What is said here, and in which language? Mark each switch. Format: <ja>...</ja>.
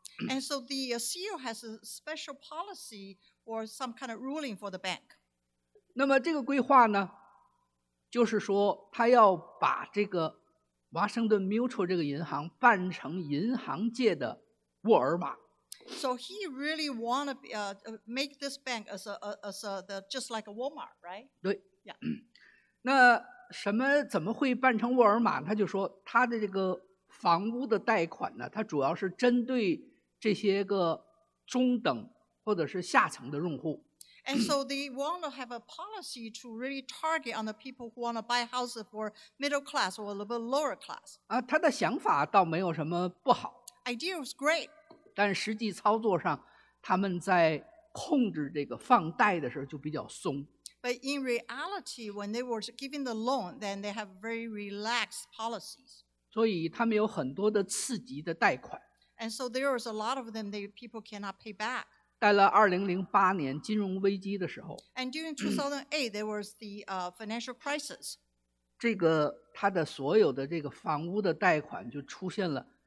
<en>And so the CEO has a special policy or some kind of ruling for the bank.</en> <zh>那么这个规划呢，就是说他要把这个华盛顿 Mutual 这个银行办成银行界的沃尔玛。</zh> <en>So he really want to make this bank just like a Walmart, right?</en> <zh>对</zh> <en>，Yeah.</en> <zh>那什么怎么会办成沃尔玛？他就说他的这个房屋的贷款呢，他主要是针对这些个中等或者是下层的用户。</zh> <en>And so they want to have a policy to really target on the people who want to buy houses for middle class or a little bit lower class.</en> <zh>他的想法倒没有什么不好。</zh> <en>Idea was great.</en> <zh>但实际操作上，他们在控制这个放贷的时候就比较松。</zh> <en>But in reality, when they were giving the loan, then they have very relaxed policies.</en> <zh>所以他们有很多的次级的贷款。</zh> <en>And so there was a lot of them that people cannot pay back.</en> <zh>在了2008年金融危机的时候。</zh> <en>And during 2008, there was the financial crisis.</en> <zh>这个他的所有的这个房屋的贷款就出现了。</zh>